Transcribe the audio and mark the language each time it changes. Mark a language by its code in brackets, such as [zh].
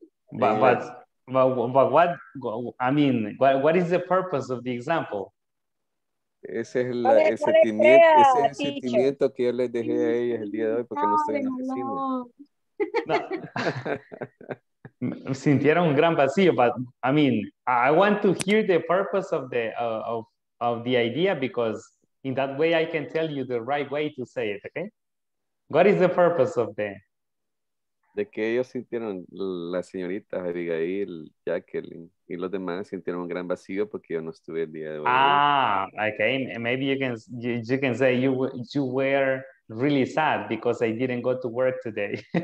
[en] What is the purpose of the example? [es] Ese es, la, ver, el, sentimiento, idea, ese es el sentimiento que yo les dejé a ellas el día de hoy porque no estoy en la oficina. No. Sintieron un gran vacío, [en] but I mean, I want to hear the purpose of the of the idea, because in that way I can tell you the right way to say it, okay? What is the purpose of the? [es] De que ellos sintieron, la señorita Abigail, Jacqueline, y los demás sintieron un gran vacío porque yo no estuve el día de hoy. [en] Ah, okay, maybe you can say you were really sad because I didn't go to work today.